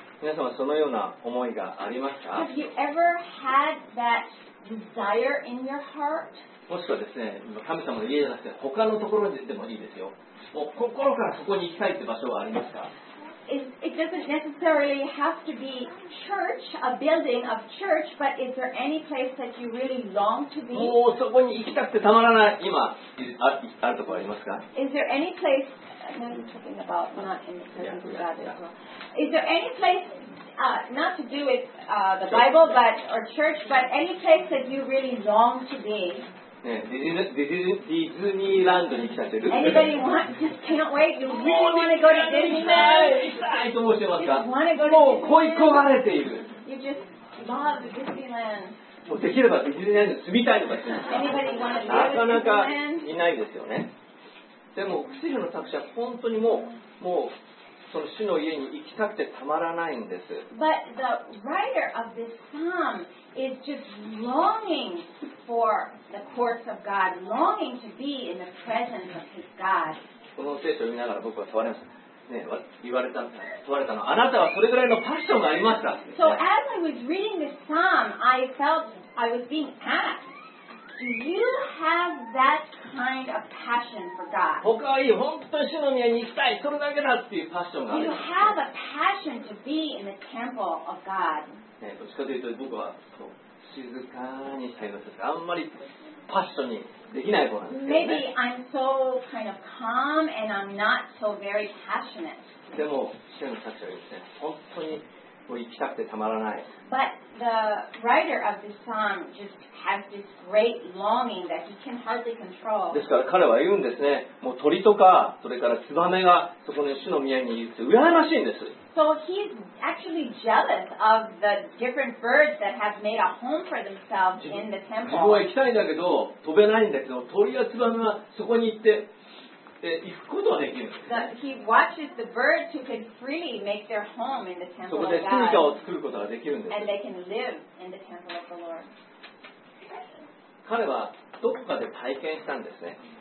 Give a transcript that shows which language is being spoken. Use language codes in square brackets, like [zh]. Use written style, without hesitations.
[ja] 皆さんはそのような思いがありますか？ [en] Have you ever had that desire in your heart? [ja] もしくはですね、神様の家じゃなくて他のところに行ってもいいですよ。もう心からそこに行きたいって場所はありますか？ [en] It doesn't necessarily have to be church, a building of church, but is there any place that you really long to be? [ja] もうそこに行きたくてたまらない今あるところありますか？ [en] Is there any place? I'm talking about not in the presence of God as well. Is there any place not to do with the Bible, but or church, but any place that you really long to be? [ja] ディズニーランドに行きたいです。 [en] Anybody want? Just can't wait. You really want to go to Disneyland? [ja] 行きたいと思ってますか？もう恋い焦がれている。 [en] You just love Disneyland. [ja] もうできればディズニーランドに住みたいとかしない。 [en] Anybody want to go to Disneyland? [ja] なかなかいないですよね。でも薬の作者本当にもうその主の家に行きたくてたまらないんです。 [en] But the writer of this psalm is just longing for the courts of God, longing to be in the presence of his God. [ja] この聖書を見ながら僕は問われました。ね、問われたの、あなたはそれぐらいのパッションがありました。 [en] So as I was reading this psalm, I felt I was being asked. Do you have that kind of passion for God? [ja] 他はいい、本当に主の宮に行きたい、それだけだっていうパッションがある。 [en] Do you have a passion to be in the temple of God? [ja] ね、どっちかというと僕はこう静かにしたいのです。あんまりパッションにできない子なんですけどね。 [en] Maybe I'm so kind of calm and I'm not so very passionate. [ja] でも主の作者はですね、本当にもう行きたくてたまらない。 [en] But the writer of this psalm just has this great longing that he can hardly control. [ja] ですから彼は言うんですね。もう鳥とかそれからツバメがそこの主の宮にいると羨ましいんです。 [en] So he's actually jealous of the different birds that have made a home for themselves in the temple. [ja] 自分は行きたいんだけど飛べないんだけど鳥やツバメはそこに行って。行くことはできる。 [en] He watches the birds who can freely make their home in the temple of God. [ja] そこで住処を作ることができるんです。 [en] And they can live in the temple of the Lord. [ja] 彼はどこかで体験したんですね。